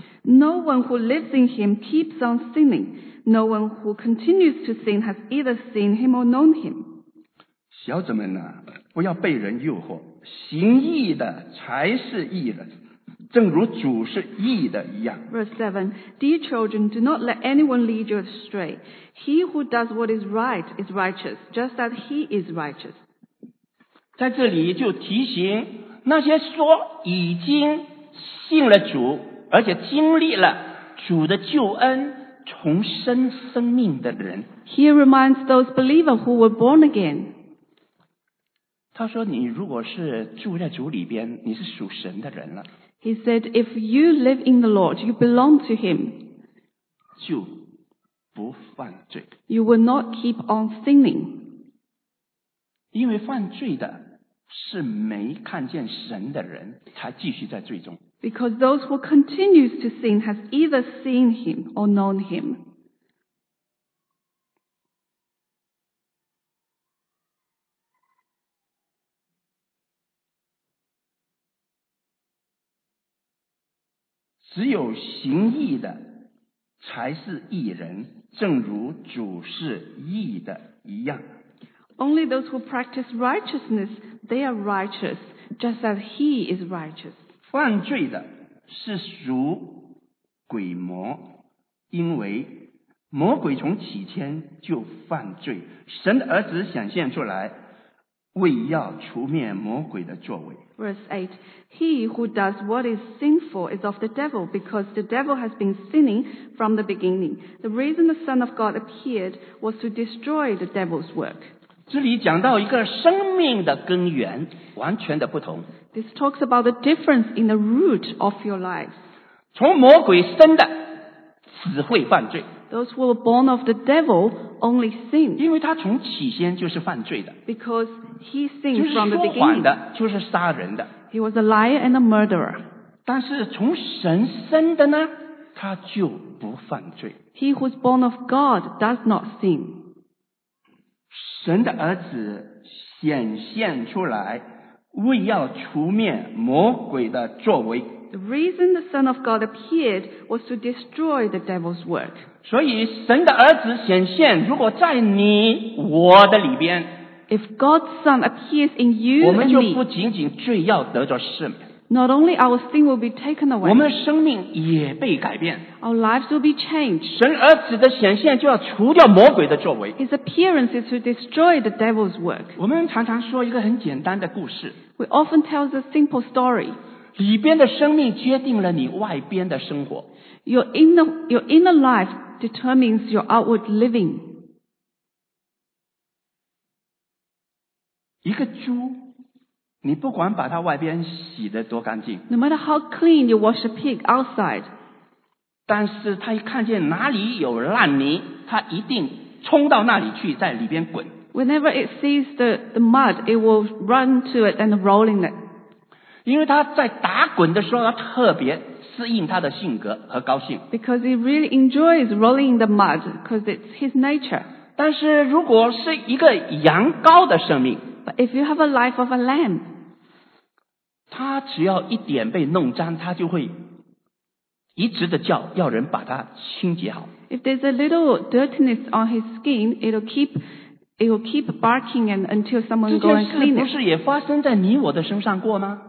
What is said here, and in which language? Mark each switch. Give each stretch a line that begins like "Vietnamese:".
English: No one who lives in him keeps on sinning. No one who continues to sin has either seen him or known him.
Chinese: 小子们啊，不要被人诱惑，行义的才是义人。正如主是义的一样。
English: Verse 7, Dear children, do not let anyone lead you astray. He who does what is right is righteous, just as he is righteous.
Chinese: 在这里就提醒那些说已经信了主，而且经历了主的救恩重生生命的人。
English: He reminds those believers who were born again.
Chinese: 他说你如果是住在主里边，你是属神的人了。
English: He said, if you live in the Lord, you belong to him.
Chinese: 就不犯罪。
English: You will not keep on sinning.
Chinese: 因为犯罪的是没看见神的人才继续在罪中。
English: Because those who continue to sin has either seen him or known him.
Chinese: 只有行义的才是义人，正如主是义的一样。
English: Only those who practice righteousness, they are righteous, just as he is righteous.
Chinese: 犯罪的是属鬼魔，因为魔鬼从起先就犯罪。神的儿子显现出来，为要除灭魔鬼的作为。
English: Verse 8, He who does what is sinful is of the devil, because the devil has been sinning from the beginning. The reason the Son of God appeared was to destroy the devil's work.
Chinese: 这里讲到一个生命的根源，完全的不同。
English: This talks about the difference in the root of your life.
Chinese: 从魔鬼生的，只会犯罪。
English: Those who were born of the devil only sin.
Chinese: 因为他从起先就是犯罪的。
English: Because he sinned from the beginning.
Chinese: 就是杀人的。
English: He was a liar and a murderer.
Chinese: 但是从神生的呢，他就不犯罪。
English: He who's born of God does not sin.
Chinese: 神的儿子显现出来，为要除灭魔鬼的作为。
English: The reason the Son of God appeared was to destroy the devil's work.
Chinese: 所以神的儿子显现，如果在你我的里边，
English: If God's Son appears in you and me,
Chinese: 我们就不仅仅罪要得着赦免，
English: Not only our sin will be taken away,
Chinese: 我们生命也被改变，
English: Our lives will be changed.
Chinese: 神儿子的显现就要除掉魔鬼的作为，
English: His appearance is to destroy the devil's work.
Chinese: 我们常常说一个很简单的故事，
English: We often tell the simple story.
Chinese: 里边的生命决定了你外边的生活。
English: Your inner life determines your outward living.
Chinese: 一个猪，你不管把它外边洗得多干净，
English: No matter how clean you wash a pig outside,
Chinese: 但是它一看见哪里有烂泥，它一定冲到那里去，在里边滚。
English: Whenever it sees the mud, it will run to it and roll in it.
Chinese: 因为他在打滚的时候，他特别适应他的性格和高兴。
English: Because he really enjoys rolling in the mud, because it's his nature.
Chinese: 但是如果是一个羊羔的生命，
English: But if you have a life of a lamb,
Chinese: 他只要一点被弄脏，他就会一直的叫，要人把他清洁好。
English: If there's a little dirtiness on his skin, it will keep barking and until someone goes and cleans it.
Chinese: 这件事不是也发生在你我的身上过吗？